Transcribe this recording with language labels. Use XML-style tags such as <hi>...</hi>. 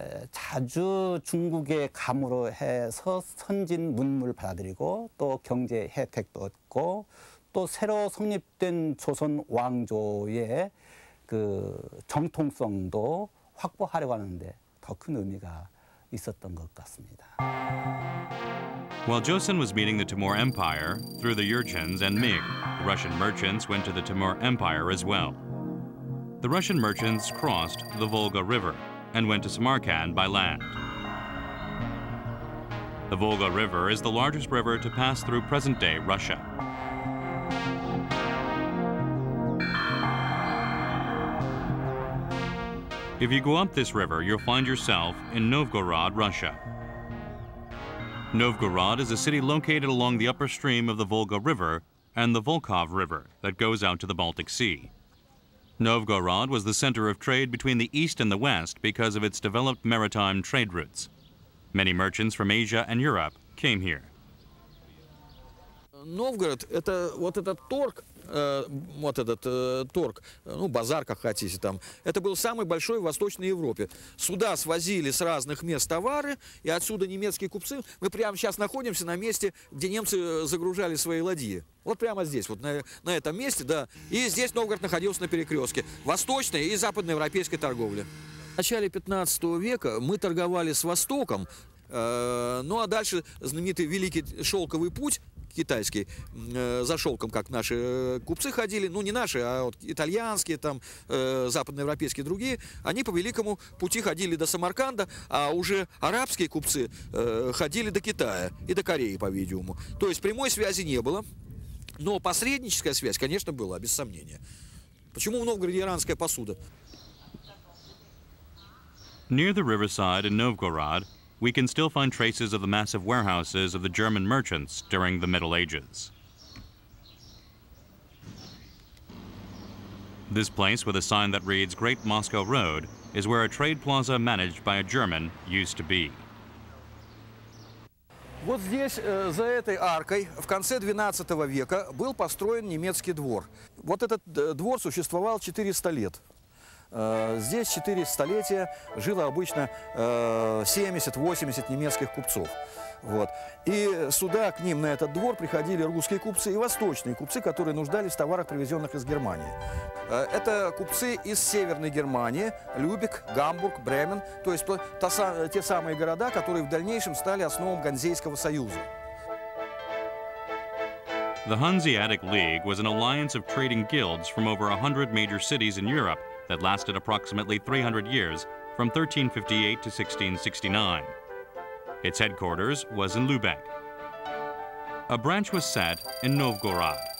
<ko>자주 중국의 감으로 해서 선진 문물 받아들이고 또 경제 혜택도 얻고 또 새로 성립된 조선 왕조의 그 정통성도 확보하려고 하는데 더 큰 의미가 있었던 것 같습니다.</ko> <en>While Joseon was meeting the Timur Empire through the Yurchens and Ming, Russian merchants went to the Timur Empire as well. The Russian merchants crossed the Volga River and went to Samarkand by land. The Volga River is the largest river to pass through present-day Russia. If you go up this river, you'll find yourself in Novgorod, Russia. Novgorod is a city located along the upper stream of the Volga River and the Volkhov River that goes out to the Baltic Sea. Novgorod was the center of trade between the East and the West because of its developed maritime trade routes. Many merchants from Asia and Europe came here.</en> <ru>Новгород – это вот этот торг, вот этот торг, ну, базар, как хотите там, это был самый большой в Восточной Европе. Сюда свозили с разных мест товары, и отсюда немецкие купцы. Мы прямо сейчас находимся на месте, где немцы загружали свои ладьи. Вот прямо здесь, вот на этом месте, да. И здесь Новгород находился на перекрестке восточной и западноевропейской торговли. В начале 15 века мы торговали с Востоком, ну, а дальше знаменитый Великий Шелковый путь, китайский, за шелком, как наши купцы ходили, ну не наши, а вот итальянские, там, западноевропейские, другие, они по Великому пути ходили до Самарканда, а уже арабские купцы ходили до Китая и до Кореи, по-видимому. То есть прямой связи не было, но посредническая связь, конечно, была, без сомнения. Почему в Новгороде иранская посуда?</ru> <en>Near the riverside in Novgorod, we can still find traces of the massive warehouses of the German merchants during the Middle Ages. This place with a sign that reads Great Moscow Road is where a trade plaza managed by a German used to be.</en> <ru>Вот здесь, за этой аркой, в конце 12 века был построен немецкий двор. Вот этот двор существовал 400 лет. Здесь 4 столетия жило обычно 70-80 немецких купцов. Вот. И сюда, к ним на этот двор, приходили русские купцы и восточные купцы, которые нуждались в товарах, привезенных из Германии. Это купцы из Северной Германии, Любек, Гамбург, Бремен, то есть те самые города, которые в дальнейшем стали основой Ганзейского союза.</ru> <en>The Hanseatic League was an alliance of trading guilds from over 100 major cities in Europe that lasted approximately 300 years, from 1358 to 1669. Its headquarters was in Lübeck. A branch was set in Novgorod.</en>